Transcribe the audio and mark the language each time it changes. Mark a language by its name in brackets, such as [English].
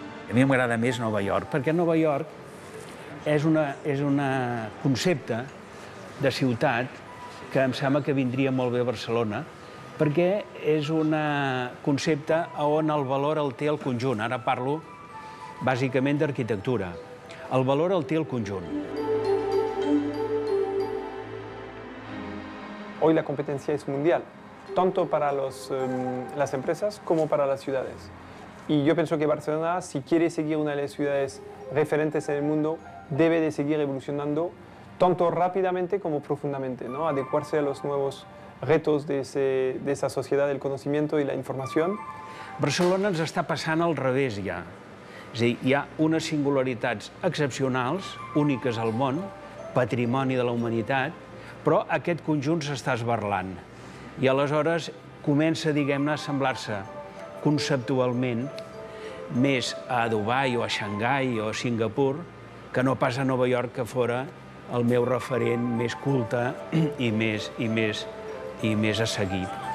[Catalan] A mi m'agrada més Nova York, perquè Nova York és un concepte de ciutat que em sembla que vindria molt bé a Barcelona, perquè és un concepte on el valor el té el conjunt. Ara parlo bàsicament d'arquitectura. El valor el té el conjunt. [Spanish] Hoy la competencia es mundial, tanto para las empresas como para las ciudades. Y yo pienso que Barcelona, si quiere seguir una de las ciudades referentes en el mundo, debe de seguir evolucionando tanto rápidamente como profundamente, ¿no? Adecuarse a los nuevos retos de esa sociedad del conocimiento y la información. [Catalan] Barcelona ens està passant al revés ja. És a dir, hi ha unes singularitats excepcionals, úniques al món, patrimoni de la humanitat, però aquest conjunt s'està esberlant. I aleshores comença, diguem-ne, a semblar-se conceptualment més a Dubai o a Xangai o a Singapur que no pas a Nova York, que fora el meu referent més culte i més a seguir.